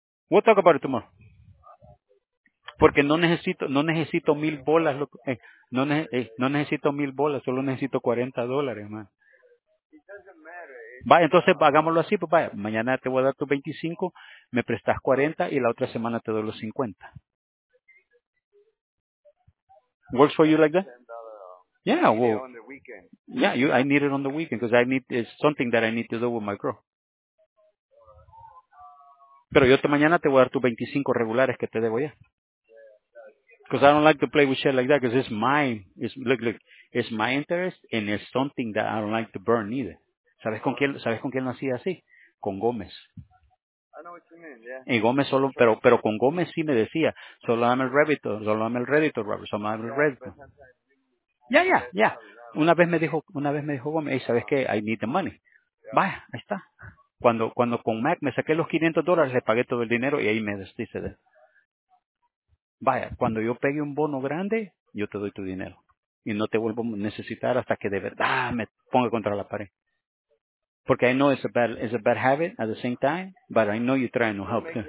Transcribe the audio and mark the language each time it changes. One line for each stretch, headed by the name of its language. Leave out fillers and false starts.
English: We'll talk about it tomorrow.
Spanish: Porque no necesito mil bolas. No necesito mil bolas. Solo necesito $40, man. Vaya, entonces hagámoslo así. Pues vaya, mañana te voy a dar tus 25. Me prestas 40 y la otra semana te doy los 50.
English: Works for you like that? Yeah, well, yeah, I need it on the weekend because it's something that I need to do with my girl.
Spanish: Pero yo mañana te voy a dar tus 25 regulares que te debo ya.
English: Because I don't like to play with shit like that because it's my interest and it's something that I don't like to burn either.
Spanish: ¿Sabes con quién nací así? Con Gómez.
English: I know what you mean, yeah.
Spanish: Y Gómez solo, pero con Gómez sí me decía, solo dame el rédito, Robert. Ya. Una vez me dijo Gómez, hey, ¿sabes qué?
English: I need the money.
Spanish: Vaya, ahí está. Cuando con Mac me saqué los $500, le pagué todo el dinero y ahí me deshice de él. Vaya, cuando yo pegue un bono grande, yo te doy tu dinero. Y no te vuelvo a necesitar hasta que de verdad me ponga contra la pared. Porque
English: I know it's a bad habit at the same time, but I know you're trying to help.